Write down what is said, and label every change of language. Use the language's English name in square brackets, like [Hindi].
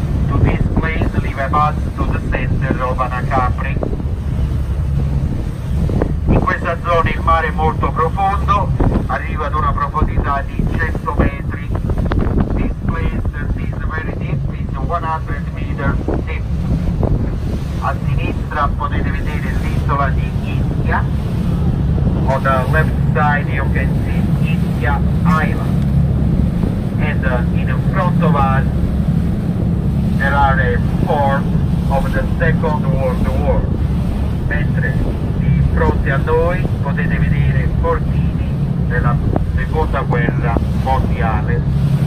[English] To this place leave a bus to the center of Ana Capri. [Italian] Zona il mare molto profondo, arriva ad una profondità di 100 metri. [English] This place is very deep, is 100 meters deep. [Italian] A sinistra potete vedere l'isola di Ischia. [English] On the left side you can see Ischia Island. And in front of us there are fort of the Second World War. [Italian] Mentre fronte a noi potete vedere fortini della Seconda Guerra Mondiale.